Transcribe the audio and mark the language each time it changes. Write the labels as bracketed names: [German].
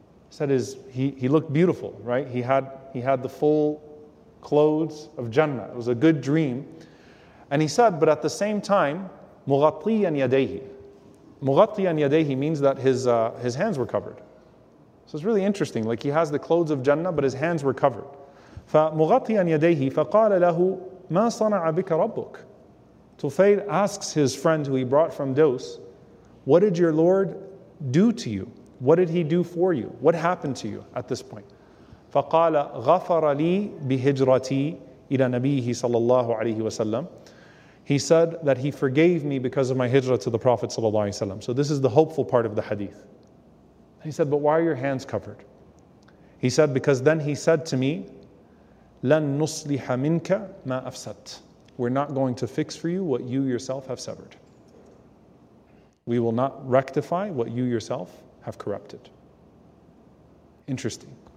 [English] Said he looked beautiful, right? He had the full clothes of Jannah. It was a good dream. And he said, but at the same time, [Arabic] مُغَطِيًا يَدَيْهِ. مُغَطِيًا يَدَيْهِ [English] means that his hands were covered. So it's really interesting. Like, he has the clothes of Jannah, but his hands were covered. [Arabic] فمغطيا يديه فقال له ما صنع بك ربك. [English] Tufayl asks his friend who he brought from Dos, what did your Lord do to you? What did he do for you? What happened to you at this point? [Arabic] فقال غفر لي بهجرتي إلى نبيه صلى الله عليه وسلم. [English] He said that he forgave me because of my hijrah to the Prophet صلى الله عليه وسلم. So this is the hopeful part of the hadith. He said, but why are your hands covered? He said, because then he said to me, [Arabic] لن نصلح منك ما أفسدت. [English] We're not going to fix for you what you yourself have severed. We will not rectify what you yourself have corrupted. Interesting.